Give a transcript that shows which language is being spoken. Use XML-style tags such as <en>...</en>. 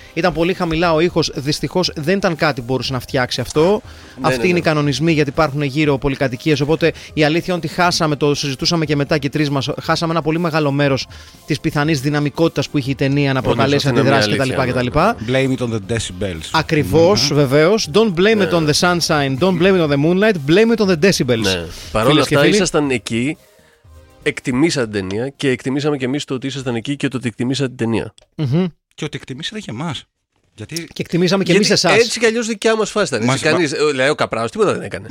<el>Ήταν πολύ χαμηλά ο ήχος. Δυστυχώς δεν ήταν κάτι που μπορούσε να φτιάξει αυτό. Αυτοί είναι οι κανονισμοί, γιατί υπάρχουν γύρω πολυκατοικίες. Οπότε η αλήθεια είναι ότι χάσαμε, το συζητούσαμε και μετά και τρεις μας, χάσαμε ένα πολύ μεγάλο μέρος της πιθανής δυναμικότητας που είχε η ταινία να προκαλέσει αντιδράσεις κτλ.</el> <en>Blame it on the decibels.</en> <el>Ακριβώς, βεβαίως.</el> <en>Don't blame it on the sunshine. Don't blame it on the moon. Moonlight, blame it on the decibels.</en> <el>Ναι. Παρόλα αυτά, ήσασταν εκεί, εκτιμήσατε την ταινία και εκτιμήσαμε και εμείς το ότι ήσασταν εκεί και το ότι εκτιμήσατε την ταινία. Mm-hmm. Και ότι εκτιμήσατε και εμάς. Γιατί... Και εκτιμήσαμε και εμείς εσάς. Έτσι κι αλλιώς δικιά μας φάση ήταν. Λέει ο Καπράνος, τίποτα δεν έκανε.</el>